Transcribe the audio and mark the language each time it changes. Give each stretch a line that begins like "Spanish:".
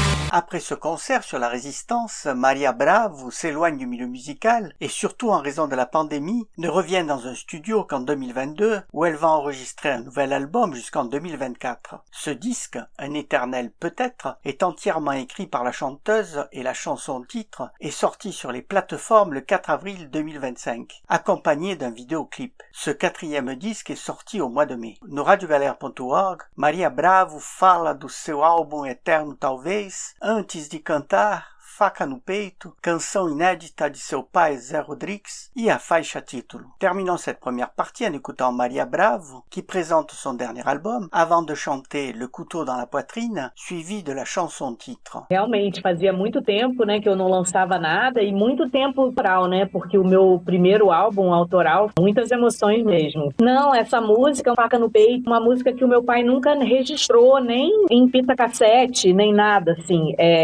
French: Après ce concert sur la résistance, Maria Bravo s'éloigne du milieu musical et surtout en raison de la pandémie, ne revient dans un studio qu'en 2022 où elle va enregistrer un nouvel album jusqu'en 2024. Ce disque, Un éternel peut-être, est entièrement écrit par la chanteuse et la chanson-titre est sorti sur les plateformes le 4 avril 2025, accompagné d'un vidéoclip. Ce quatrième disque est sorti au mois de mai.
Portuguese: No radiogalera.org, Maria Bravo fala do seu álbum Eterno Talvez, Antes de Cantar, Faca no Peito, canção inédita de seu pai Zé Rodrigues e a faixa título.
French: Terminons cette première partie en écoutant Maria Bravo, qui présente son dernier album, avant de chanter Le couteau dans la poitrine, suivi de la chanson titre.
Portuguese: Realmente, fazia muito tempo, né, que eu não lançava nada, e muito tempo autoral, né, porque o meu primeiro álbum autoral, muitas emoções mesmo. Não, essa música, Faca no Peito, uma música que o meu pai nunca registrou, nem em fita cassete, nem nada, assim.